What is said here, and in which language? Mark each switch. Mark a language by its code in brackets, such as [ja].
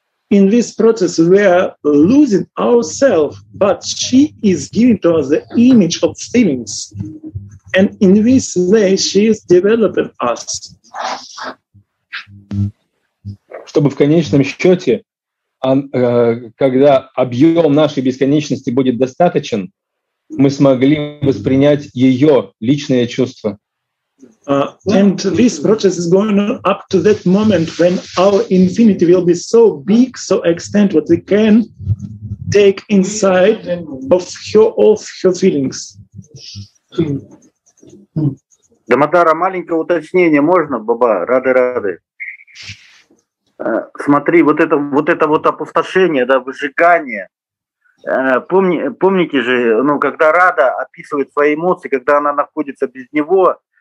[en] In this process, we are losing ourselves, but she is giving to us the image of feelings. And in this way, she is developing us. [ru] Чтобы в конечном счете, когда объем нашей бесконечности будет достаточен, мы смогли воспринять ее личные чувства. [en] And this process is going on up to that moment when our infinity will be so big, so extent what we can take inside of her feelings. [ru] Дамодара, маленькое уточнение можно, Баба, рады. Смотри, вот это опустошение, да, выжигание. Помните же, ну, когда Рада описывает свои эмоции, когда она находится без него.